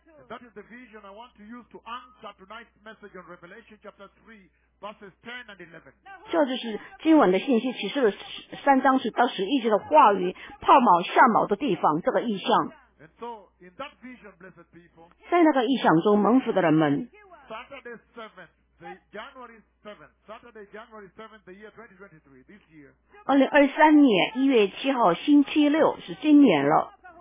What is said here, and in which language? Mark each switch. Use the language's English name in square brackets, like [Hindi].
[English] That is the vision I want to use to answer tonight's message on Revelation chapter 3, verses 10 and 11. [Chinese] 这就是今晚的信息，启示三章十到十一节的话语，泡锚下锚的地方，这个意象。 [English] And so, in that vision, blessed people, [Chinese] 在那个意象中，蒙福的人们。 [English] Saturday 7th, the January 7th, Saturday, January 7th, the year 2023, this year. [Chinese] 2023年1月7号星期六是今年了。